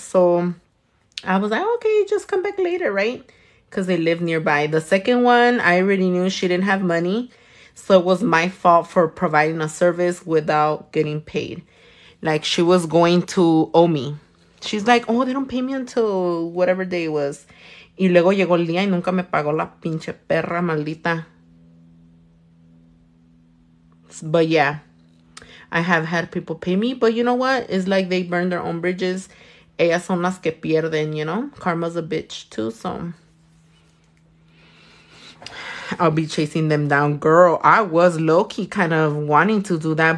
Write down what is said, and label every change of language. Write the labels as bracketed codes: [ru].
[en] So I was like, okay, just come back later, right? Because they live nearby. The second one, I already knew she didn't have money. So it was my fault for providing a service without getting paid. Like, she was going to owe me. She's like, oh, they don't pay me until whatever day it was. [es] Y luego llegó el día y nunca me pagó la pinche perra maldita. [en] But yeah, I have had people pay me. But you know what? It's like they burn their own bridges. [es] Ellas son las que pierden, [en] you know? Karma's a bitch too, so I'll be chasing them down. Girl, I was low-key kind of wanting to do that.